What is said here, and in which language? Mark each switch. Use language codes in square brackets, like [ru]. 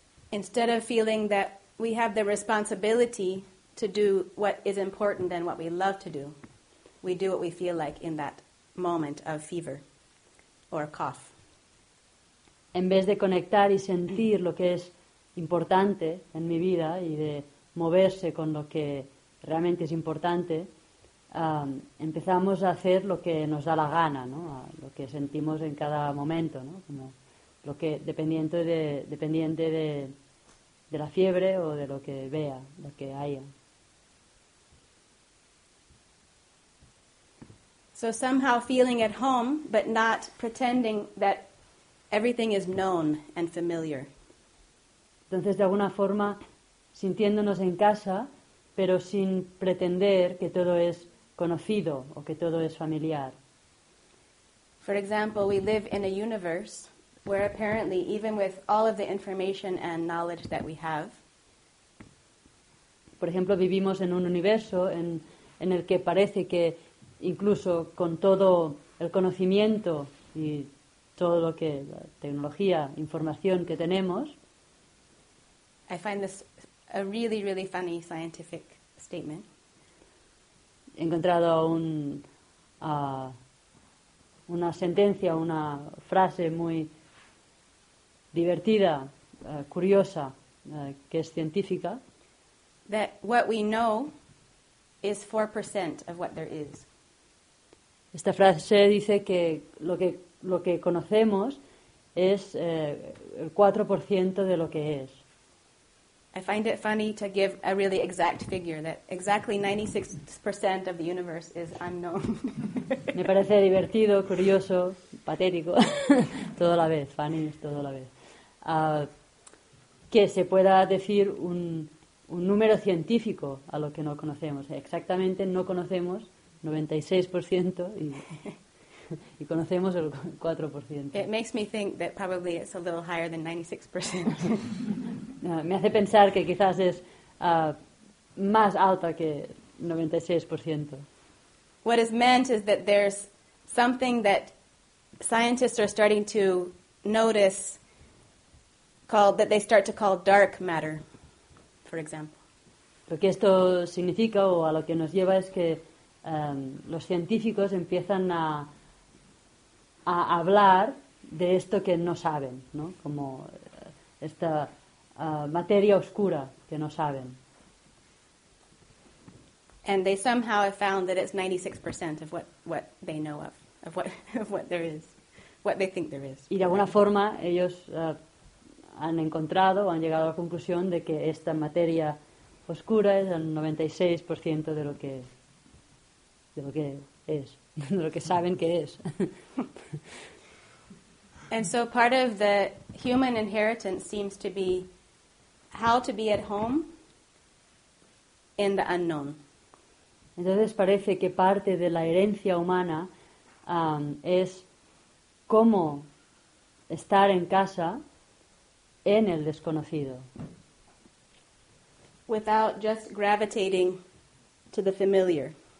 [en] Instead of feeling that we have the responsibility to do what is important and what we love to do, we do what we feel like in that moment of fever or cough. [es] En vez de conectar y sentir lo que es importante en mi vida y de moverse con lo que realmente es importante, empezamos a hacer lo que nos da la gana, ¿no? Lo que sentimos en cada momento, ¿no? Como lo que dependiente de la fiebre o de lo que vea, lo que haya. [en] So somehow feeling at home, but not pretending that everything is known and familiar. [es] Entonces, de alguna forma, sintiéndonos en casa, pero sin pretender que todo es conocido o que todo es familiar. [en] For example, we live in a universe where apparently, even with all of the information and knowledge that we have, [es] por ejemplo, vivimos en un universo en el que parece que incluso con todo el conocimiento y todo lo que la tecnología, información que tenemos, [en] I find this a really, really funny scientific statement. [es] He encontrado una sentencia, una frase muy divertida, curiosa, que es científica. [en] That what we know is 4% of what there is. [es] Esta frase dice que lo que conocemos es el 4% de lo que es. [en] I find it funny to give a really exact figure that exactly 96% of the universe is unknown. [es] Me parece divertido, curioso, patético, todo a la vez, funny es todo a la vez. Que se pueda decir un número científico a lo que no conocemos. Exactamente no conocemos 96% y conocemos el 4%. [en] It makes me think that probably it's a little higher than 96%. [es] Me hace pensar que quizás es más alta que 96%. [en] What is meant is that there's something that scientists are starting to notice called that they start to call dark matter, for example. [es] Lo que esto significa o a lo que nos lleva es que los científicos empiezan a hablar de esto que no saben, ¿no? Como esta materia oscura que no saben. [en] And they somehow have found that it's 96% of what they know of what there is, what they think there is. [es] Y de alguna forma ellos han encontrado, han llegado a la conclusión de que esta materia oscura es el 96% de lo que es. De lo que es, de lo que saben que es. [en] And so part of the human inheritance seems to be how to be at home in the unknown. [es] Entonces parece que parte de la herencia humana es cómo estar en casa en el desconocido. [en] Without just gravitating to the familiar.